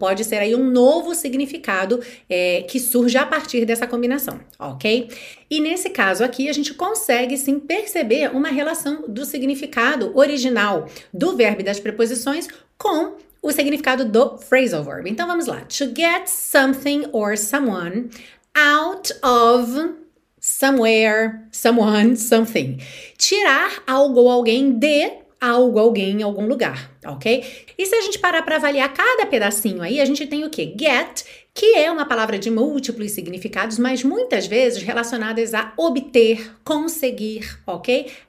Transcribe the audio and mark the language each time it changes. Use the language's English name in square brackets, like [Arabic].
[Portuguese] Pode ser aí um novo significado que surge a partir dessa combinação, ok? E nesse caso aqui, a gente consegue sim perceber uma relação do significado original do verbo e das preposições com o significado do phrasal verb. Então vamos lá. [English] To get something or someone out of somewhere, someone, something. [Portuguese] Tirar algo ou alguém de algo, alguém em algum lugar, ok? E se a gente parar para avaliar cada pedacinho aí, a gente tem o quê? Get, que é uma palavra de múltiplos significados, mas muitas vezes relacionadas a obter, conseguir, ok?